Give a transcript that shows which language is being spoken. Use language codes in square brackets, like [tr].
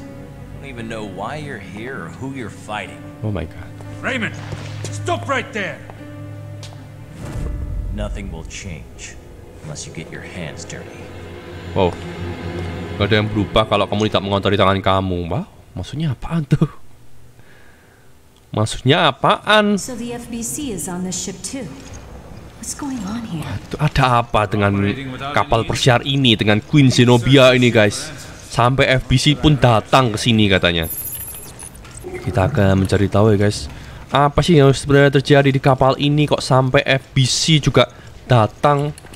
[en] I don't even know why you're here or who you're fighting. Oh my god. Raymond! Stop right there! Nothing will change unless you get your hands dirty. [id] Oh, gak ada yang berubah kalau kamu tidak mengotori tangan kamu, Mbak. Maksudnya apaan tuh? Maksudnya apaan? [en] So the FBC is on the ship too. What's going on here? [id] Ada apa dengan kapal persiar ini, dengan Queen Zenobia ini, guys? Sampai FBC pun datang ke sini katanya. Kita akan mencari tahu ya, guys. Apa sih yang sebenarnya terjadi di kapal ini kok sampai FBC juga datang?